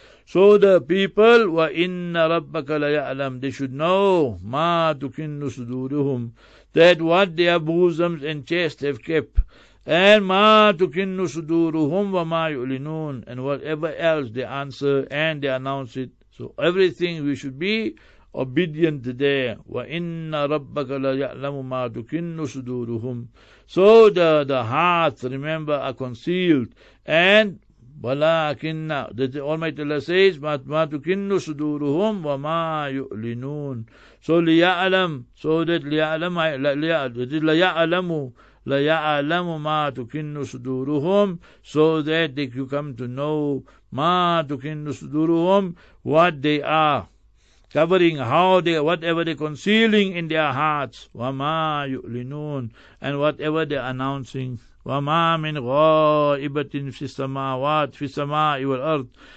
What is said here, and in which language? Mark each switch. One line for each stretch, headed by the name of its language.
English: So the people,
Arabic: وَإِنَّ رَبَّكَ لَيَعْلَمُ,
English: they should know,
Arabic: مَا تُكِنُّ صُدُورِهُمْ,
English: that what their bosoms and chest have kept, and
Arabic: مَا تُكِنُّ صُدُورُهُمْ وَمَا يُعْلِنُونَ,
English: and whatever else they answer and they announce it. So everything we should be obedient there.
Arabic: وَإِنَّ رَبَّكَ لَيَعْلَمُ مَا تُكِنُّ صُدُورُهُمْ.
English: So the hearts, remember, are concealed.
Arabic: And وَلَكِنَّ,
English: the Almighty Allah says,
Arabic: مَا تُكِنُّ صُدُورُهُمْ وَمَا يُؤْلِنُونَ.
English: So لِيَعْلَمْ, so that
Arabic: لِيَعْلَمُ مَا تُكِنُّ صُدُورُهُمْ,
English: so that they come to know,
Arabic: مَا تُكِنُّ صُدُورُهُمْ,
English: what they are covering, how they, whatever they're concealing in their hearts,
Arabic: وَمَا يُؤْلِنُونَ,
English: and whatever they're announcing,
Arabic: وَمَا مِنْ غَائِبَةٍ فِي السَّمَاوَاتِ فِي السَّمَاءِ وَالْأَرْضِ.